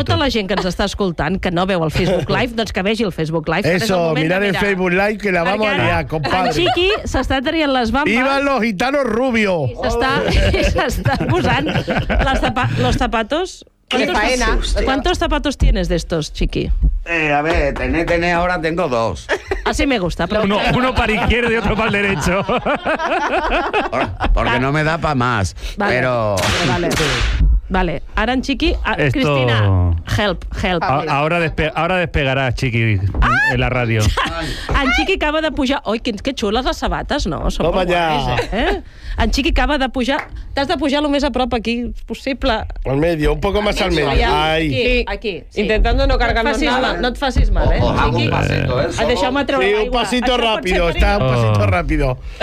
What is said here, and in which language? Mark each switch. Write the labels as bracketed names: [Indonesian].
[Catalan] Tota la gent que ens està escoltant, que no veu el Facebook Live, doncs que vegi el Facebook Live. [Spanish] Eso, mirar el Facebook Live, que la vamos a liar, compadre. [Catalan] En Chiqui s'està traient les bambes. [Spanish] ¡Viva los gitanos rubios! [Catalan] S'està posant [Spanish] los zapatos... ¿Cuántos, ¿Cuántos zapatos tienes de estos, Chiqui? A ver, tené, ahora tengo dos. Así me gusta. Uno para izquierda y otro para el derecho. Porque no me da para más. Vale. Pero... Vale. Vale, ahora en Chiqui, esto... [English] Cristina, help, help. [Spanish] Ahora despegará Chiqui en la radio. [Catalan] En Chiqui acaba de pujar... Ai, que xules les sabates, no? Som [Spanish] Toma ja! [Catalan] En Chiqui acaba de pujar... T'has de pujar el més a prop aquí possible. [Spanish] Al medio, un poco más al medio. Aquí, aquí. Sí. Intentando no cargarnos nada. [Catalan] No et facis mal, eh? [Spanish] Oh, Chiqui, un pasito, [Catalan] eh? Deixeu-me treure [Spanish] l'aigua. Sí, un pasito rápido, está un pasito rápido.